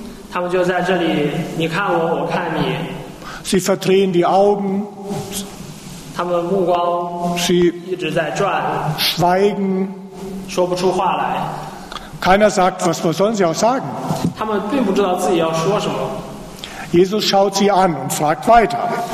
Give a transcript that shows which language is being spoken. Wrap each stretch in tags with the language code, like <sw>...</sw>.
<zh>他们就在这里，你看我，我看你。</zh> <de>Sie verdrehen die Augen.</de> <zh>他们目光一直在转。</zh> <de>Schweigen.</de> <zh>说不出话来。</zh> <de>Keiner sagt, was sollen sie auch sagen?</de> <zh>他们并不知道自己要说什么。</zh> <de>Jesus schaut sie an und fragt weiter.</de>